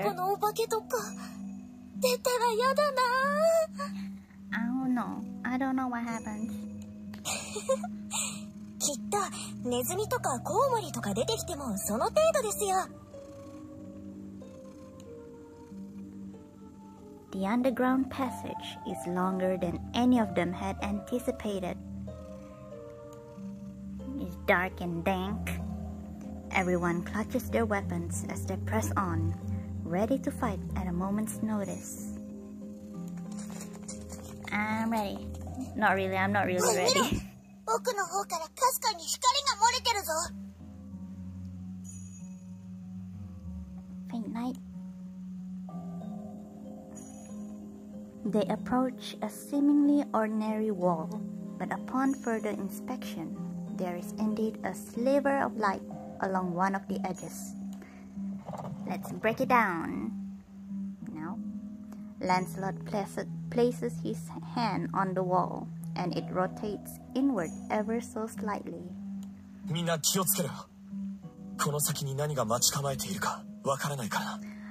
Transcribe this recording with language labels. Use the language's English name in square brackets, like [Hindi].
[Japanese] 迷子のお化けとか出たらやだな。 [English] I don't know. I don't know what happens. [Japanese] きっとネズミとかコウモリとか出てきてもその程度ですよ。 [English] The underground passage is longer than any of them had anticipated. It's dark and dank. Everyone clutches their weapons as they press on, ready to fight at a moment's notice. I'm ready. Not really, I'm not really ready. [Japanese] 僕の方からかすかに光が漏れてるぞ。 [English] Faint light. They approach a seemingly ordinary wall, but upon further inspection, there is indeed a sliver of light along one of the edges. Let's break it down. Now, Lancelot places his hand on the wall, and it rotates inward ever so slightly. [Japanese] みんな気をつけろ。この先に何が待ち構えているかわからないからな。